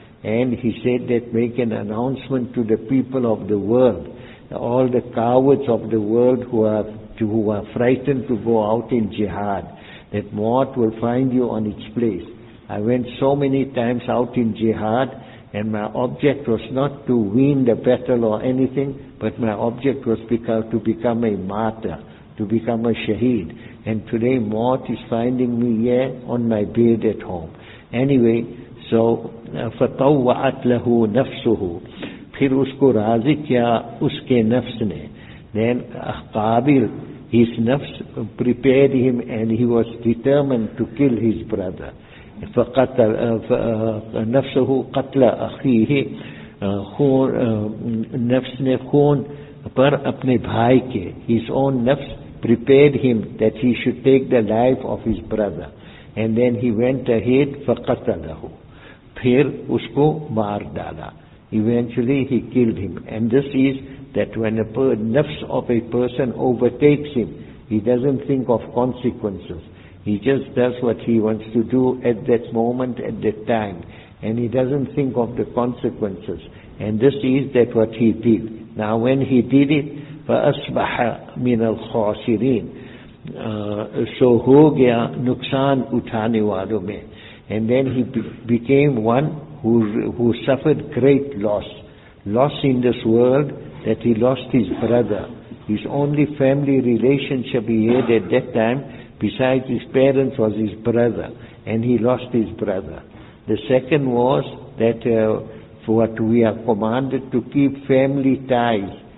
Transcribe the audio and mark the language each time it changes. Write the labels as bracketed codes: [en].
[en] And he said that make an announcement to the people of the world, all the cowards of the world who are frightened to go out in jihad, that mort will find you on its place. I went so many times out in jihad, and my object was not to win the battle or anything, but my object was to become a martyr, to become a shaheed. And today mort is finding me here on my bed at home. Anyway, so [ar] فَطَوَّعَتْ لَهُ نَفْسُهُ [ur] پھر اس کو راضی کیا اس کے نفس نے. [en] Then Qabil, his nafs prepared him and he was determined to kill his brother. [ar] نَفْسُهُ قَتْلَ أَخِيهِ [ur] نفس نے خون پر اپنے بھائی کے. [en] His own nafs prepared him that he should take the life of his brother. And then he went ahead [ar] فَقَتَلَهُ [ur] پھر اس کو مار ڈالا. [en] Eventually he killed him. And this is that when a nafs of a person overtakes him, he doesn't think of consequences. He just does what he wants to do at that moment, at that time. And he doesn't think of the consequences. And this is that what he did. Now when he did it, [ar] فَأَصْبَحَ مِنَ الْخَاسِرِينَ [ur] سو ہو گیا نقصان اٹھانے والوں میں. [en] And then he became one who suffered great loss. Loss in this world, that he lost his brother. His only family relationship he had at that time, besides his parents, was his brother. And he lost his brother. The second was that for what we are commanded to keep family ties.